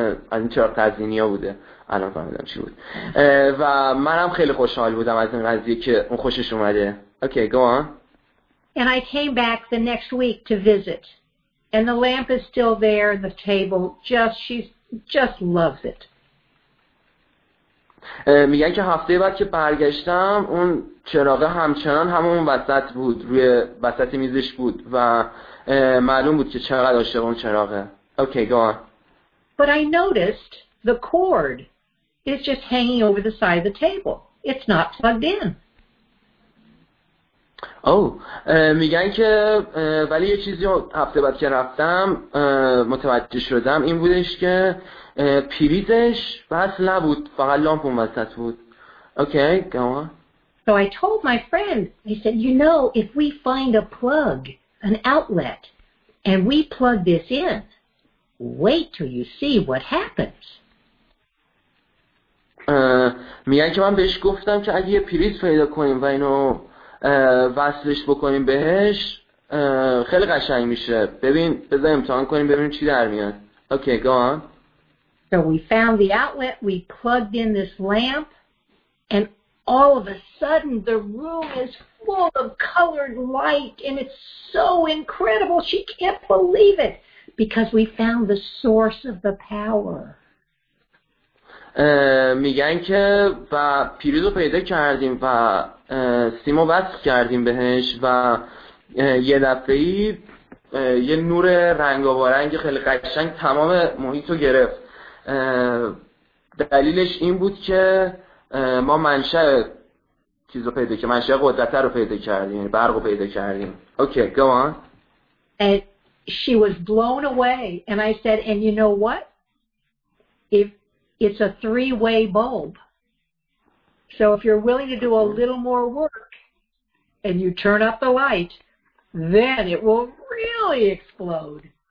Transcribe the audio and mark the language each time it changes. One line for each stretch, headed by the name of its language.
Persian: از این چراغ تزیینیا بوده. الان فهمیدم چی بود. و منم خیلی خوشحال بودم از این قضیه که اون خوشش اومده.
English: Okay, go on. And I came back the next week to visit. And the lamp is still there, the table. She just loves it.
Persian: میگن که هفته بعد که برگشتم اون چراغ همچنان همون وسط بود، روی وسط میزش بود و معلوم بود که چقدر عاشق اون چراغه.
English: Okay, go on. But I noticed the cord is just hanging over the side of the table. It's not plugged in.
Persian: Oh, میگن که ولی یه چیزی هفته بعد که رفتم متوجه شدم این بودش که پریزش وصل نبود، فقط لامپ اون وسط بود.
English: Okay, go on. So I told my friend, he said, you know, if we find a plug, an outlet, and we plug this in, wait till you see what happens.
Persian: میگن که من بهش گفتم که اگه یه پریز پیدا کنیم و اینو وصلش بکنیم بهش خیلی قشنگ میشه. ببین بذار امتحان کنیم ببینیم چی در میاد.
English: Okay, go on. So we found the outlet, we plugged in this lamp, and all of a sudden the room is full of colored light and it's so incredible. She can't believe it. Because we found the source of the power.
Persian: میگن که و پیریز رو پیدا کردیم و سیم رو وصل کردیم بهش و یه دفعه یه نور رنگارنگ خیلی قشنگ تمام محیط رو گرفت. دلیلش این بود که ما منشأ چیز رو پیدا کردیم، منشأ قدرت رو پیدا کردیم، برق رو پیدا کردیم.
English: Okay, go on. She was blown away, and I said, and you know what? If it's a three-way bulb. So if you're willing to do a little more work, and you turn up the light, then it will really explode.